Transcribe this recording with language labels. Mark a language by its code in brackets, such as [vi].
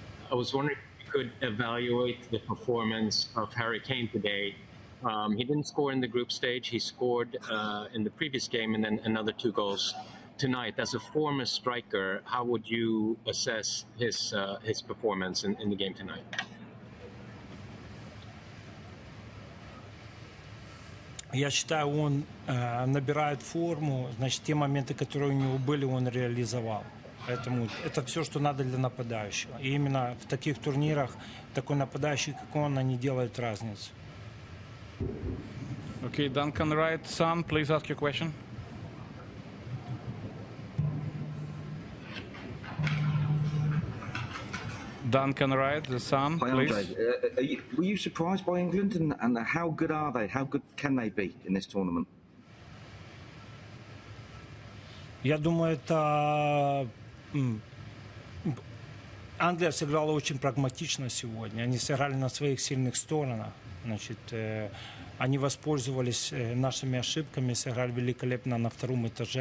[en] I was wondering if you could evaluate the performance of Harry Kane today. He didn't score in the group stage. He scored in the previous game and then another two goals tonight. As a former striker, how would you assess his performance in the game tonight? [ru] Я считаю, он набирает форму. Значит, те моменты, которые у него были, он реализовал. Поэтому это все, что надо для нападающего. И именно в таких турнирах такой нападающий, как он, не делает разницы. [en] Okay, Duncan Wright, Sam, please ask your question. Duncan Wright, the Sun, please. Were you surprised by England and how good are they? How good can they be in this tournament? [ru] Я думаю, это Англия сыграла очень прагматично сегодня. Они сыграли на своих сильных сторонах. Значит, они воспользовались нашими ошибками, сыграли великолепно на втором этаже.